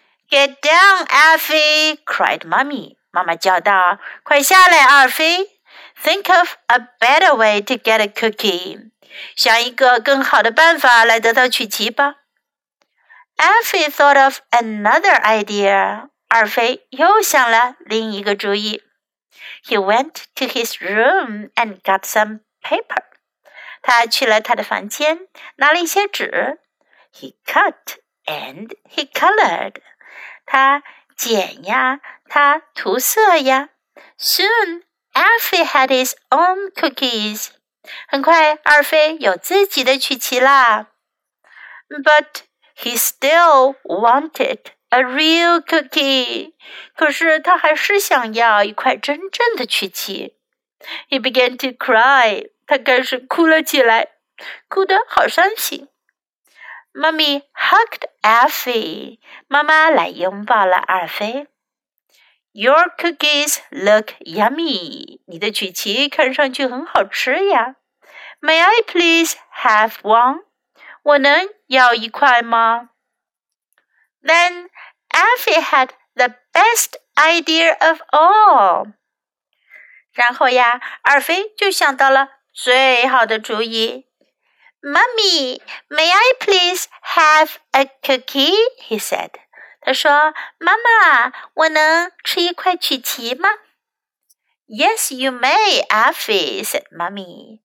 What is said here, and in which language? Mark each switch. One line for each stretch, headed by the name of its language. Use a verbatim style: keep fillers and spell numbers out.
English: Get down, Effie! cried Mommy.
Chinese: 妈妈叫道：“快下来，二飞 ！
English: Think of a better way to get a cookie.
Chinese: 想一个更好的办法来得到曲奇吧。”
English: Effie thought of another idea.
Chinese: 二飞又想了另一个主意。
English: He went to his room and got some paper.
Chinese: 他去了他的房间，拿了一些纸。
English: He cut and he colored.
Chinese: 他剪呀，他涂色呀。
English: Soon, Effie had his own cookies.
Chinese: 很快，二飞有自己的曲奇啦。
English: But he still wanted a real cookie.
Chinese: 可是他还是想要一块真正的曲奇。
English: He began to cry.
Chinese: 他开始哭了起来，哭得好伤心。
English: Mommy hugged Effie.
Chinese: 妈妈来拥抱了二菲。
English: Your cookies look yummy.
Chinese: 你的曲奇看上去很好吃呀。
English: May I please have one?
Chinese: 我能要一块吗
English: ？Then Effie had the best idea of all.
Chinese: 然后呀，二菲就想到了。最好的主意
English: Mummy, may I please have a cookie? He said.
Chinese: 他说，妈妈，我能吃一块曲奇吗？
English: Yes, you may, Alfie, said Mummy.